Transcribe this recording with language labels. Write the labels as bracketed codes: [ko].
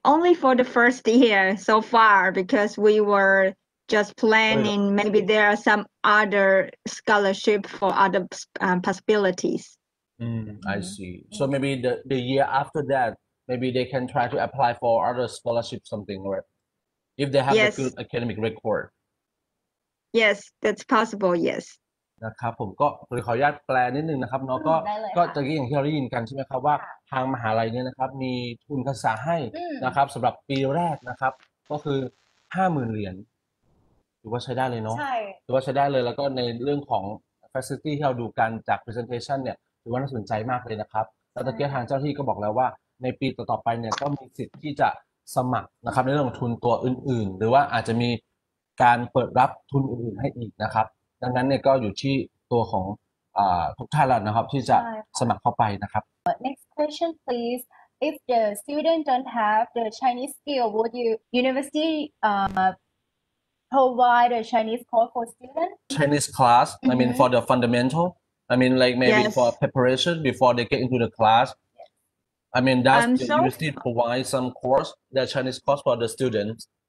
[en] Only for the first year so far, because we were just planning maybe there are some other scholarship for other possibilities. I see. So maybe the year after that, maybe they can try to apply for other scholarship something, right? If they have a good academic record. Yes, that's possible, yes. [th] นะครับผมก็ขออนุญาตแปลนิดนึงนะครับเนาะก็จะยิ่งที่เราได้ยินกันใช่ไหมครับว่าทางมหาลัยเนี่ยนะครับมีทุนภาษาให้นะครับสำหรับปีแรกนะครับก็คือ 50,000 เหรียญ ถือว่าใช้ได้เลยเนาะถือว่าใช้ได้เลยแล้วก็ในเรื่องของ facility ที่เราดูกันจาก presentation เนี่ยถือว่าน่าสนใจมากเลยนะครับแล้วตะเกียบทางเจ้าที่ก็บอกแล้วว่าในปีต่อไปเนี่ยก็มีสิทธิ์ที่จะสมัครนะครับในเรื่องทุนตัวอื่นๆหรือว่าอาจจะมีการเปิดรับทุนอื่นๆให้อีกนะครับดังนั้นเนี่ยก็อยู่ที่ตัวของทุกท่านแล้วนะครับที่จะสมัครเข้าไปนะครับ [en] Next question please if the student don't have the Chinese skill would you university provide a Chinese course for student Chinese class I mean for the fundamental I mean like maybe for preparation before they get into the class I mean does the university provide some course the Chinese course for the students